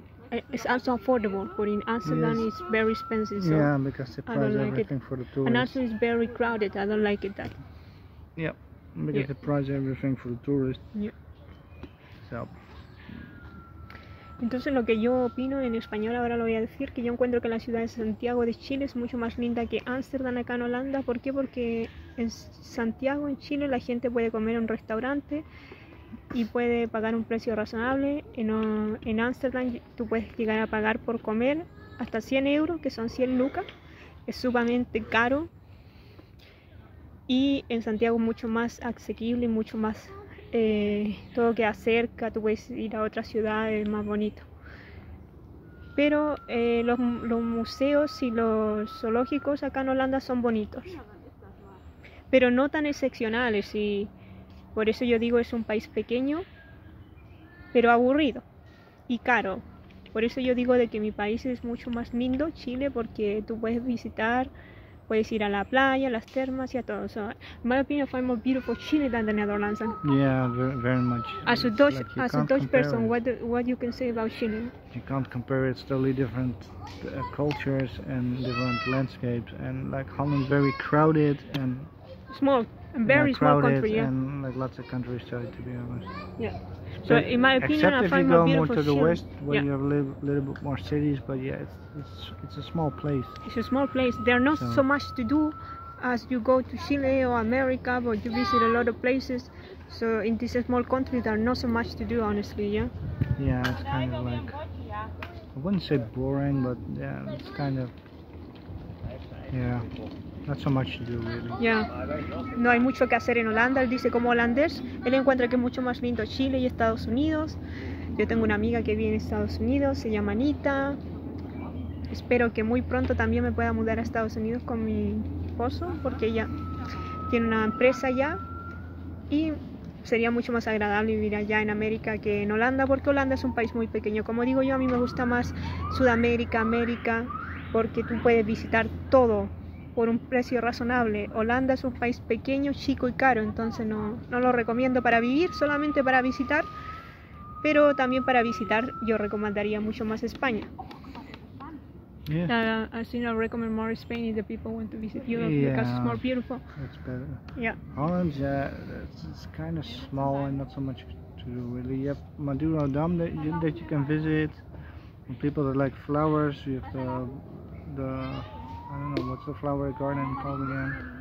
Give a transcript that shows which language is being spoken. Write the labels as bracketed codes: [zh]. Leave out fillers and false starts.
[en] It's also affordable, but in Amsterdam it's very expensive. So yeah, because they price everything for the tourists. And also it's very crowded. I don't like it that. Yeah, because they price everything for the tourists. Yeah. So. [es] Entonces lo que yo opino en español ahora lo voy a decir, que yo encuentro que la ciudad de Santiago de Chile es mucho más linda que Amsterdam acá en Holanda. ¿Por qué? Porque en Santiago, en Chile, la gente puede comer en un restaurante y puede pagar un precio razonable. En Amsterdam tú puedes llegar a pagar por comer hasta 100 euros, que son 100 lucas. Es sumamente caro. Y en Santiago mucho más asequible y mucho más... todo queda cerca, tú puedes ir a otra ciudad, es más bonito. Pero los museos y los zoológicos acá en Holanda son bonitos, pero no tan excepcionales, y por eso yo digo es un país pequeño, pero aburrido y caro. Por eso yo digo de que mi país es mucho más lindo, Chile, porque tú puedes visitar, puedes ir a la playa, a las termas y a todo. [en] So, my opinion, I find more beautiful Chile than the Netherlands. Yeah, very much. As a Dutch, like as a Dutch person, what you can say about Chile? You can't compare it. It's totally different cultures and different landscapes. And like Holland, very crowded and small, and very small country. Yeah. And like lots of countryside, to be honest. Yeah. So in my opinion, except I find if you go more to the Chile. West, where you have little bit more cities, but yeah, it's a small place. It's a small place. There are not so much to do as you go to Chile or America, but you visit a lot of places. So in this small country, there are not so much to do, honestly. Yeah. Yeah, it's kind of like, I wouldn't say boring, but yeah, it's kind of not so much to do, really. [es] Yeah. No hay mucho que hacer en Holanda. Él dice, como holandés, él encuentra que es mucho más lindo Chile y Estados Unidos. Yo tengo una amiga que vive en Estados Unidos, se llama Anita. Espero que muy pronto también me pueda mudar a Estados Unidos con mi esposo, porque ella tiene una empresa allá. Y sería mucho más agradable vivir allá en América que en Holanda, porque Holanda es un país muy pequeño. Como digo yo, a mí me gusta más Sudamérica, América, porque tú puedes visitar todo por un precio razonable. Holanda es un país pequeño, chico y caro, entonces no lo recomiendo para vivir, solamente para visitar. Pero también para visitar, yo recomendaría mucho más España. [en] Yeah. I recommend more Spain if the people want to visit Europe, yeah, because it's more beautiful. It's better. Yeah. Holland, it's kind of small and not so much to do, really. You have Maduro Dam that you can visit. And people that like flowers, you have the I don't know, what's the flower garden called again?